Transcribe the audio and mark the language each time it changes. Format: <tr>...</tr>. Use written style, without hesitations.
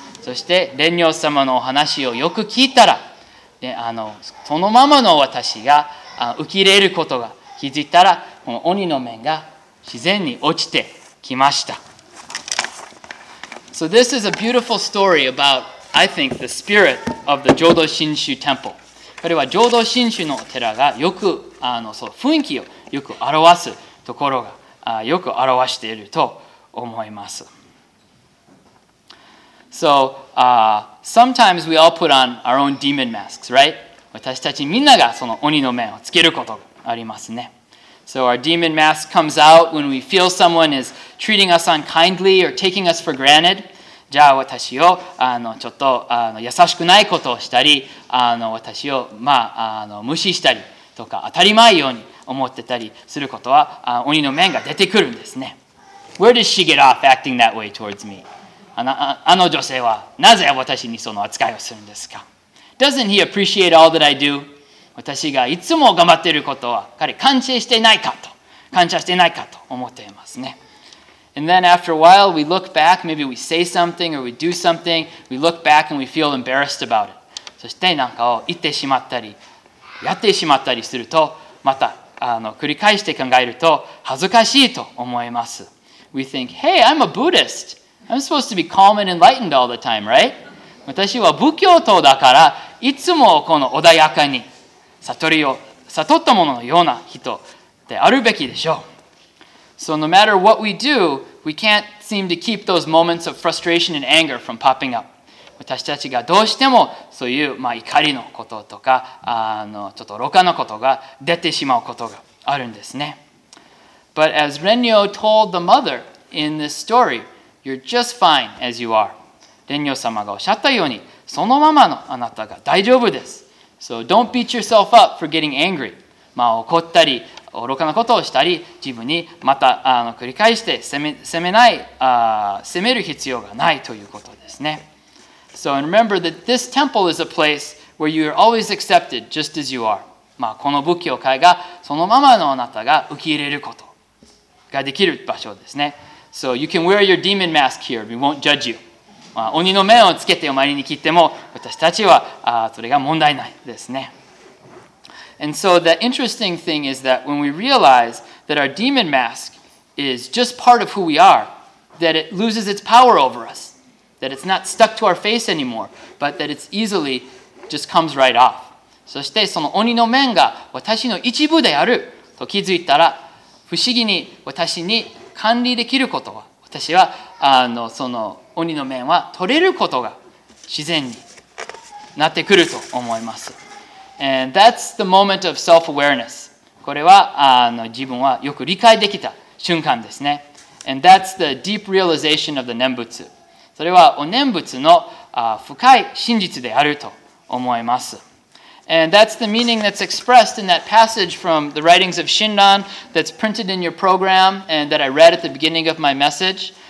<ja>そして、Renyo 様のお話をよく聞いたら、であのそのままの私が受け入れることが気づいたら、この鬼の面が自然に落ちてきました。</ja> <en>So this is a beautiful story about I think the spirit of the Jodo Shinshu Temple.</en> <ja>これは浄土真宗のお寺がよくあのそう雰囲気をよく表すところがあよく表していると思います。</ja> <en>So, sometimes we all put on our own demon masks, right?</en> <ja>私たちみんながその鬼の面をつけることがありますね。</ja> <en>So our demon mask comes out when we feel someone is treating us unkindly or taking us for granted.</en> <ja>じゃあ私をあのちょっとあの優しくないことをしたりあの私を、まあ、あの無視したりとか当たり前ように思ってたりすることはあ鬼の面が出てくるんですね。</ja> <en>Where does she get off acting that way towards me?</en> <ja>あの女性はなぜ私にその扱いをするんですか?</ja> <en>Doesn't he appreciate all that I do?</en> <ja>私がいつも頑張っていることは彼感謝してないかと感謝してないかと思っていますね。</ja> <en>And then after a while, we look back, maybe we say something or we do something, we look back and we feel embarrassed about it.</en> <ja>そして何かを言ってしまったり、やってしまったりすると、またあの繰り返して考えると恥ずかしいと思います。</ja> <en>We think, hey, I'm a Buddhist. I'm supposed to be calm and enlightened all the time, right?</en> <ja>私は仏教徒だから、いつもこの穏やかに悟ったもののような人であるべきでしょう。</ja> <en>So no matter what we do, we can't seem to keep those moments of frustration and anger from popping up.</en> <ja>私たちがどうしてもそういう、まあ、怒りのこととかあのちょっと愚かなことが出てしまうことがあるんですね。</ja> <en>But as Renyo told the mother in this story, you're just fine as you are.</en> <ja>Renyo 様がおっしゃったようにそのままのあなたが大丈夫です。</ja> <en>So don't beat yourself up for getting angry.</en> <ja>まあ怒ったり愚かなことをしたり自分にまたあの繰り返して責める必要がないということですね。</ja> <en>So, and remember that this temple is a place where you are always accepted just as you are.</en> <ja>まあ、この仏教会がそのままのあなたが受け入れることができる場所ですね。</ja> <en>So, you can wear your demon mask here. We won't judge you.</en> <ja>まあ、鬼の面をつけてお参りに来ても私たちはそれが問題ないですね。</ja> <en>And so the interesting thing is that when we realize that our demon mask is just part of who we are, that it loses its power over us, that it's not stuck to our face anymore, but that it's easily just comes right off.</en> <ja>そしてその鬼の面が私の一部であると気づいたら、不思議に私に管理できることは、私はあのその鬼の面は取れることが自然になってくると思います。</ja> <en>And that's the moment of self-awareness.</en> <ja>これはあの自分はよく理解できた瞬間ですね。</ja> <en>And that's the deep realization of the 念仏。</en> <ja>それはお念仏の深い真実であると思います。</ja> <en>And that's the meaning that's expressed in that passage from the writings of Shinran that's printed in your program and that I read at the beginning of my message.</en>